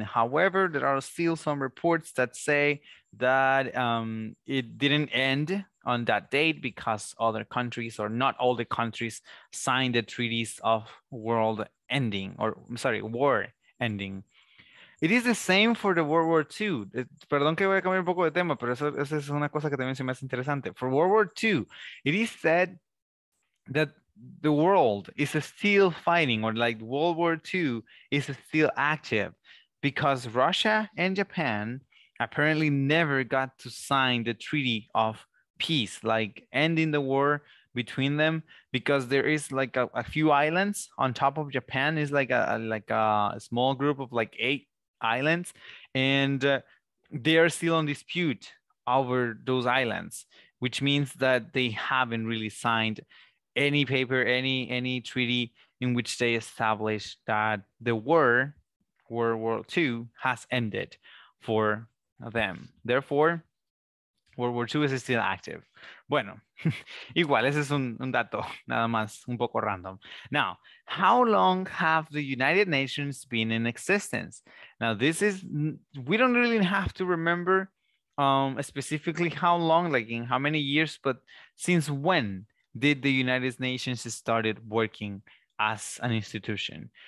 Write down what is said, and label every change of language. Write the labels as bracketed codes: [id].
[en] However, there are still some reports that say that it didn't end on that date because other countries, or not all the countries, signed the treaties of war ending. It is the same for the World War II. [es] Perdón que voy a cambiar un poco de tema, pero eso es una cosa que también se me hace interesante. [en] For World War II, it is said that the world is still fighting, or like World War II is still active, because Russia and Japan apparently never got to sign the treaty of peace, like ending the war between them, because there is like a few islands on top of Japan. It's like a small group of like 8 islands, and they are still in dispute over those islands, which means that they haven't really signed any paper, any treaty in which they established that the war, World War II, has ended for them. Therefore, World War II is still active. [es] Bueno, igual, ese es un dato, nada más, un poco random. [en] Now, how long have the United Nations been in existence? Now, this is, we don't really have to remember specifically how long, like in how many years, but since when did the United Nations started working as an institution?